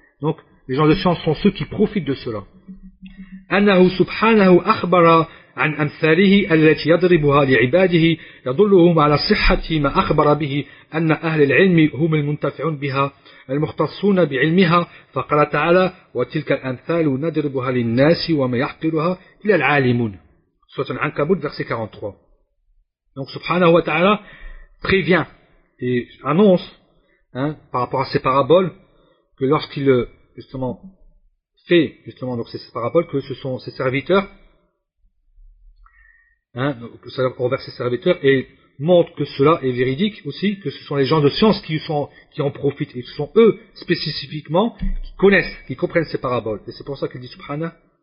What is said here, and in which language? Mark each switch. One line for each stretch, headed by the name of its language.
French: Donc, les gens de science sont ceux qui profitent de cela.
Arabic: أنه سبحانه أخبر عن أمثاله التي يضربها لعباده يدلهم على صحة ما أخبر به أن أهل العلم هم المنتفعون بها المختصون بعلمها فقال تعالى وتلك الأمثال نضربها للناس وما يحقرها إلا العالمون. سورة العنكبوت
French: verset 43. Donc سبحانه وتعالى prévient et annonce, hein, par rapport à ces paraboles, que lorsqu'il justement fait justement donc ces paraboles, que ce sont ses serviteurs, hein, envers ses serviteurs, et montre que cela est véridique aussi, que ce sont les gens de science qui en profitent, et ce sont eux spécifiquement qui connaissent, qui comprennent ces paraboles. Et c'est pour ça qu'il dit Subhana.